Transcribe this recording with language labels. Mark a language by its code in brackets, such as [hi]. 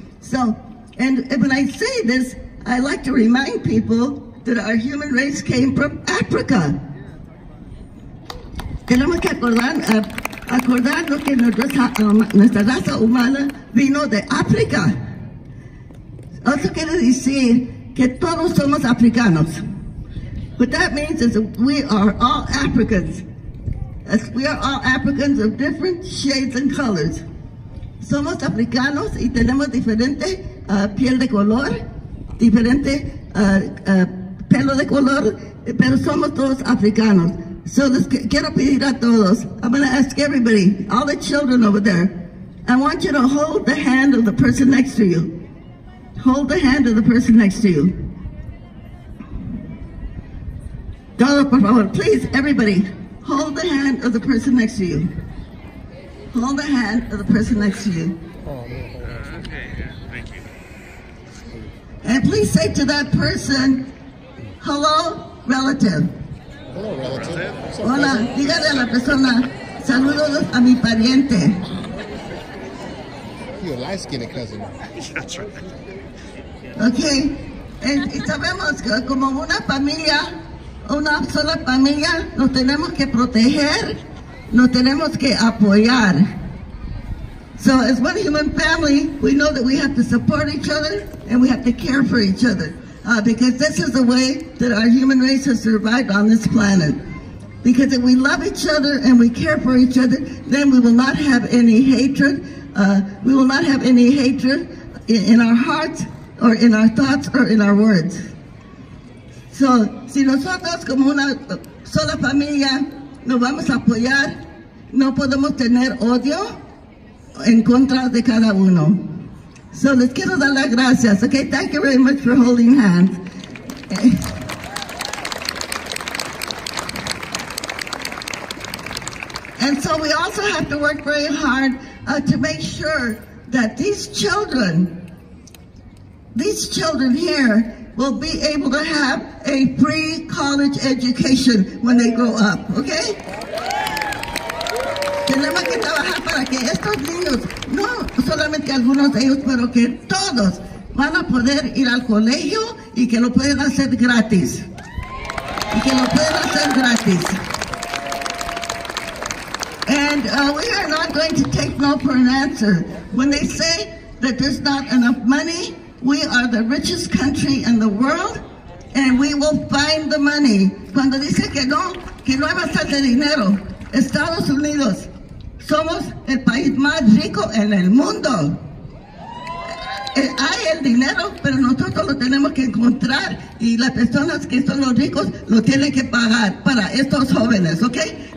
[en] So, and when I say this, I like to remind people that our human race came from Africa. [es] Tenemos que acordarnos que nuestra raza humana vino de África. Eso quiere decir que todos somos africanos. [en] What that means is that we are all Africans. As we are all Africans of different shades and colors. [es] Somos africanos y tenemos diferente piel de color, diferente pelo de color, pero somos todos africanos. [en] So, [es] quiero pedir a todos, [en] I'm gonna ask everybody, all the children over there, I want you to hold the hand of the person next to you. Hold the hand of the person next to you. [es] Todos, por favor, [en] please, everybody, hold the hand of the person next to you. Hold the hand of the person next to you. Okay, thank you. And please say to that person, hello, relative. [es] Hola, dígale a la persona, saludos a mi pariente. [en] You're a light-skinned cousin. [es] Okay, y sabemos que como una familia, una sola familia, nos tenemos que proteger nos tenemos que apoyar. [en] So as one human family, we know that we have to support each other and we have to care for each other, because this is the way that our human race has survived on this planet. Because if we love each other and we care for each other, then we will not have any hatred. We will not have any hatred in our hearts or in our thoughts or in our words. [es] So, si nosotros como una sola familia nos vamos a apoyar, no podemos tener odio en contra de cada uno. [en] So, [es] les quiero dar las gracias, [en] okay? Thank you very much for holding hands. And so we also have to work very hard to make sure that these children here will be able to have a free college education when they grow up, okay? [es] Tenemos que trabajar para que estos niños, no solamente algunos de ellos, pero que todos van a poder ir al colegio y que lo pueden hacer gratis. Y que lo pueden hacer gratis. [en] And we are not going to take no for an answer. When they say that there's not enough money, we are the richest country in the world, and we will find the money. [es] Cuando dice que no hay bastante dinero, Estados Unidos, somos el país más rico en el mundo. Hay el dinero, pero nosotros lo tenemos que encontrar, y las personas que son los ricos lo tienen que pagar para estos jóvenes, okay?